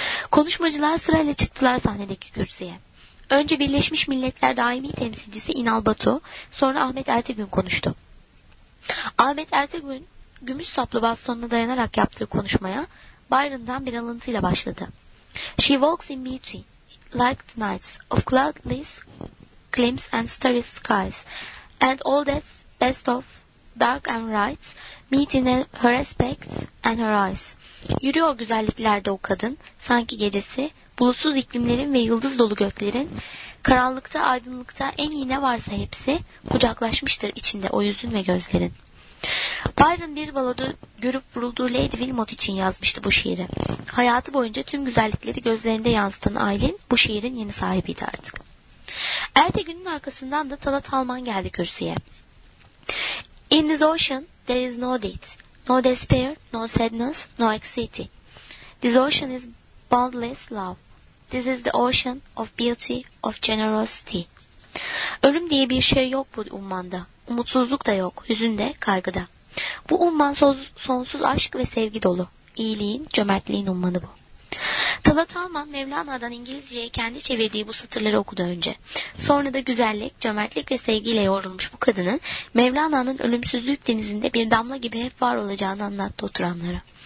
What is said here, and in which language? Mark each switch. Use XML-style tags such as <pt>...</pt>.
<tr>Konuşmacılar sırayla çıktılar sahnedeki kürsüye. Önce Birleşmiş Milletler Daimi Temsilcisi İnal Batu, sonra Ahmet Ertegün konuştu. Ahmet Ertegün, gümüş saplı bastonuna dayanarak yaptığı konuşmaya, Byron'dan bir alıntıyla başladı.</tr> <en>She walks in between, like the nights of cloudless glimpses and starry skies, and all that's best of dark and bright, meet in her aspects and her eyes.</en> <tr>Yürüyor güzelliklerde o kadın, sanki gecesi, bulutsuz iklimlerin ve yıldız dolu göklerin, karanlıkta, aydınlıkta en iyi ne varsa hepsi, kucaklaşmıştır içinde o yüzün ve gözlerin. Byron bir baloda görüp vurulduğu Lady Wilmot için yazmıştı bu şiiri. Hayatı boyunca tüm güzellikleri gözlerinde yansıtan Aylin, bu şiirin yeni sahibiydi artık. Ertegün'ün arkasından da Talat Alman geldi kürsüye.</tr> <en>In this ocean there is no death, no despair, no sadness, no anxiety. This ocean is boundless love. This is the ocean of beauty, of generosity.</en> <tr>Ölüm diye bir şey yok bu ummanda. Umutsuzluk da yok, hüzün de, kaygı da. Bu umman sonsuz aşk ve sevgi dolu. İyiliğin, cömertliğin ummanı bu. Talat Alman, Mevlana'dan İngilizce'ye kendi çevirdiği bu satırları okudu önce. Sonra da güzellik, cömertlik ve sevgiyle yoğrulmuş bu kadının, Mevlana'nın ölümsüzlük denizinde bir damla gibi hep var olacağını anlattı oturanlara.</tr>